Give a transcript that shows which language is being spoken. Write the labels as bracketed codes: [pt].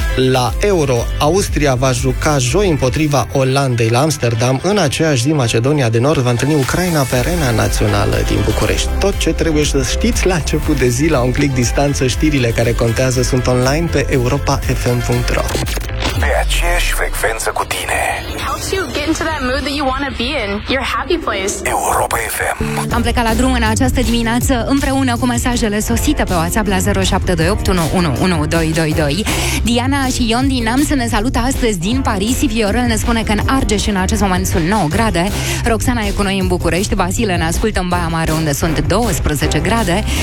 [ro] La Euro, Austria va juca joi împotriva Olandei la Amsterdam. În aceeași zi, Macedonia de Nord va întâlni Ucraina pe Arena Națională din București. Tot ce trebuie să știți la început de zi, la un click distanță, știrile care contează sunt online pe europafm.ro. Pe aceeași frecvență cu tine. [en] Helps you get into that mood that you want to be in. Your happy place. Europa FM. [ro] Am plecat la drum în această dimineață împreună cu mesajele sosite pe WhatsApp la 0728111222. Diana și Ion din Neam se ne salută astăzi din Paris. Viorel ne spune că în Argeș în acest moment sunt 9 grade. Roxana e cu noi în București. Vasile ne ascultă în Baia Mare unde sunt 12 grade.